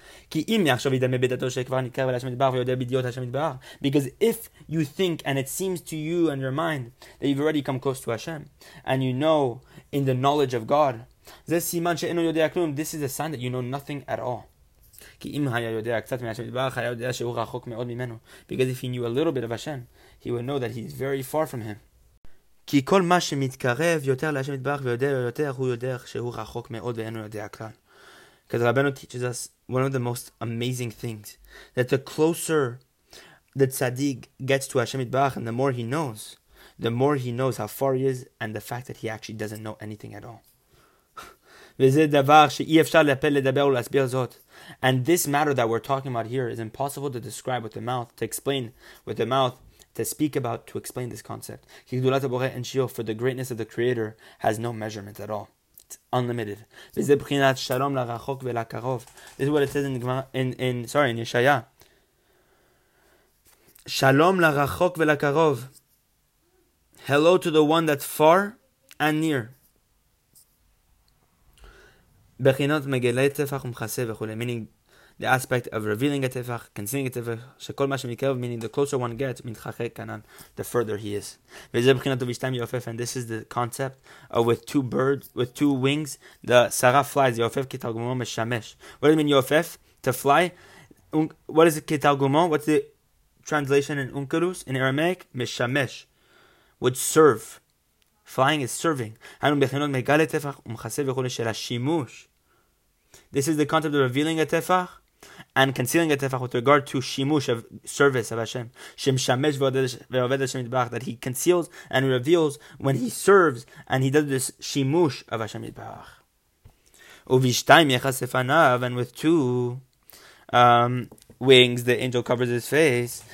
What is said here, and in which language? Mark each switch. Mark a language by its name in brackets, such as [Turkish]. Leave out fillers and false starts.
[English] Because if you think and it seems to you and your mind that you've already come close to HASHEM and you know in the knowledge of God, this is a sign that you know nothing at all. Because if he knew a little bit of HASHEM, he would know that he's very far from him. [Hebrew] כי כל מה שמתקרב יותר להשם יתברך ויודע יותר, הוא יודע שהוא רחוק מאוד ואינו יודע כלל. [English] Because Rabbeinu teaches us one of the most amazing things, that the closer the tzaddik gets to Hashem Yitbarach, and the more he knows how far he is, and the fact that he actually doesn't know anything at all. [Hebrew] וזה דבר שאי אפשר לפל לדבר ולהסביר זאת. [English] And this matter that we're talking about here is impossible to describe with the mouth, to explain with the mouth, to speak about, to explain this concept. [Hebrew] כי גדולת הבורא אין שיעור, [English] for the greatness of the Creator has no measurement at all. Unlimited. [Hebrew] וזה בחינת שלום לרחוק ולקרוב. [English] This is what it says in Yeshaya. [Hebrew] Shalom לרחוק ולקרוב. [English] Hello to the one that's far and near. [Hebrew] בחינות מגלה תפח ומחסה וכו'. [English] Meaning the aspect of revealing a tefach, concealing a tefach, [Hebrew] שכל מה שמתקרב, [English] meaning the closer one gets, [Hebrew] מתחחק כאן, [English] the further he is. [Hebrew] וזה בחינת ובשתיים יופף, [English] and this is the concept of with two birds, with two wings, the seraph flies, [Hebrew] יופף כתרגומו משמש. [English] What does it mean יופף? To fly? What is it [Hebrew] כתרגומו? [English] What's the translation in Unkelus, in Aramaic? [Hebrew] משמש. [English] Would serve. Flying is serving. [Hebrew] הנו בחינות מגלה תפח ומחסה וכו' של השימוש. [English] This is the concept of revealing a tefach and concealing a tefach with regard to shimush, of service of Hashem. [Hebrew] Shem shamesh ve'oved [English] Hashem Yitbarach, that he conceals and reveals when he serves and he does this shimush of Hashem Yitbarach. [Hebrew] Uvishtayim yechasefanav, [English] and with two wings, the angel covers his face.